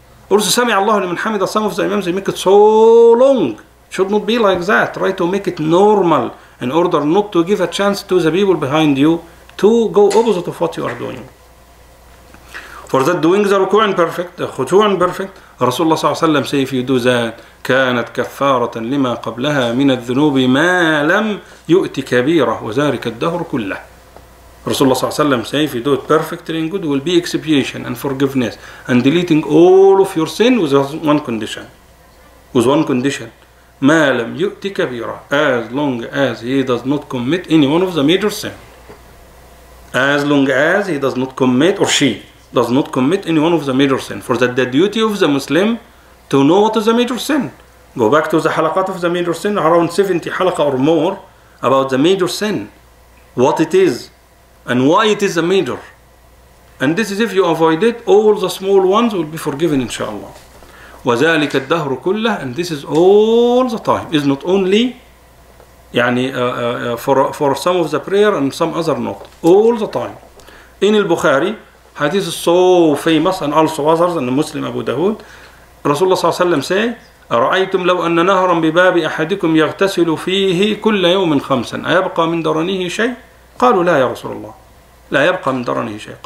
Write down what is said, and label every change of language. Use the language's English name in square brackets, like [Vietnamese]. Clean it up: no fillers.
[English] Or sami Allahu liman hamida. Some of the imams, they make it so long. Should not be like that. Try to make it normal in order not to give a chance to the people behind you to go opposite of what you are doing. For that, doing the ruku'a perfect, the khutu'a perfect. [Arabic] Rasulullah صلى الله عليه وسلم [English] say if you do that, [Arabic] كانت كفارة لما قبلها من الذنوب ما لم يؤتي كبيرة وذلك الدهر كله. [English] رسول الله صلى الله عليه وسلم say if you do it perfectly and good, will be expiation and forgiveness and deleting all of your sin with one condition, [Arabic] ما لم يؤتي كبيرة, [English] as long as he does not commit any one of the major sin, as long as he does not commit, or she does not commit any one of the major sin. For that, the duty of the Muslim to know what is the major sin. Go back to the halaqat of the major sin, around 70 halaqa or more about the major sin, what it is and why it is a major. And this is if you avoid it, all the small ones will be forgiven inshallah. [Arabic] وَذَلِكَ الدَّهْرُ كُلَّهُ, [English] and this is all the time. It's not only for some of the prayer and some other not. All the time. In al-Bukhari, hadith is so famous and also others and the Muslim Abu Dawood, [Arabic] رسول الله صلى الله عليه وسلم [English] say, [Arabic] أرأيتم لو أن نهرا بباب أحدكم يغتسل فيه كل يوم خمسا أيبقى من درنه شيء؟ قالوا لا يا رسول الله, لا يبقى من درنه شيء.